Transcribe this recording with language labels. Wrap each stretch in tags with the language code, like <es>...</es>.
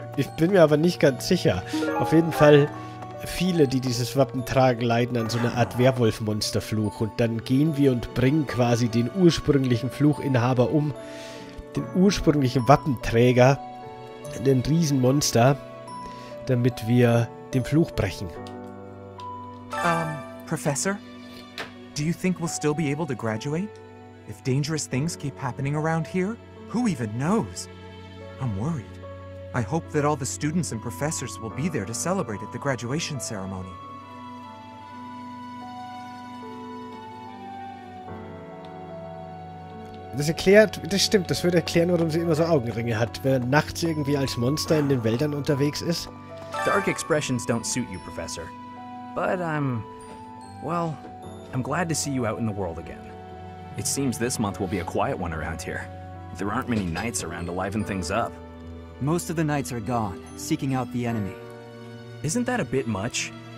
<de>Ich bin mir aber nicht ganz sicher. Auf jeden Fall, viele, die dieses Wappen tragen, leiden an so einer Art Werwolfmonsterfluch und dann gehen wir und bringen quasi den ursprünglichen Fluchinhaber um. Den ursprünglichen Wappenträger, den Riesenmonster, damit wir den Fluch brechen.</de> <en>Professor, do you think we'll still be able to graduate? If dangerous things keep happening around here, who even knows? I'm worried. I hope that all the students and professors will be there to celebrate at the graduation ceremony.</en> <de>Das erklärt, das stimmt, das würde erklären, warum sie immer so Augenringe hat, wenn er nachts irgendwie als Monster in den Wäldern unterwegs ist.</de> <en>Dark expressions don't suit you, Professor. But I'm glad to see you out in the world again. It seems this month will be a quiet one around here. There aren't many knights around to liven things up. Most of the knights are gone, seeking out the enemy. Isn't that a bit much?</en>